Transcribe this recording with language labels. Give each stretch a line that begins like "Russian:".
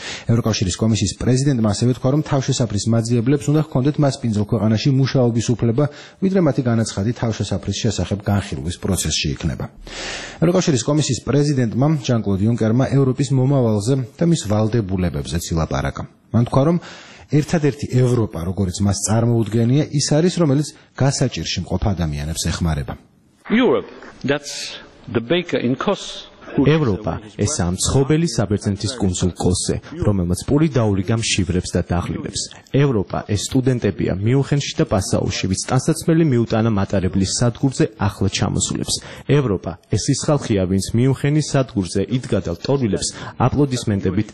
Georgian: ევროკავშირის კომისიის პრეზიდენტმა ასევე თქვა, რომ თავშესაფრის მაძიებლებს უნდა ჰქონდეთ მასპინძელ ქვეყანაში მუშაობის უფლება, ვიდრე მათი განაცხადი თავშესაფრის შესახებ განხილვის პროცესში იქნება. ევროკავშირის კომისიის პრეზიდენტმა ჟან-კლოდ იუნკერმა ევროპის მომავალზე და მის ვალდებულებებზე ცილაპარაკა. მან თქვა, რომ ერთადერთი ევროპა, როგორც მას წარმოუდგენია, ის არის, რომელიც გასაჭირში მყოფ ადამიანებს ეხმარება.
English: Europe, that's the baker in Kos.
Georgian: ევროპა, ეს ამ ცხობელი საბერძნეთის კონსულ კოსე, რომელმაც პური დაურიგა მშიბრებს და დაღლილებს. ევროპა, ეს სტუდენტებია მიუნხენში და პასაუში, ვის ტანსაცმელი მიუტანა მატარებლის სადგურზე ახლა ჩამოსულებს. ევროპა, ეს ის ხალხია, ვინც მიუნხენის სადგურზე იდგა და ლტოლვილებს აპლოდისმენტებით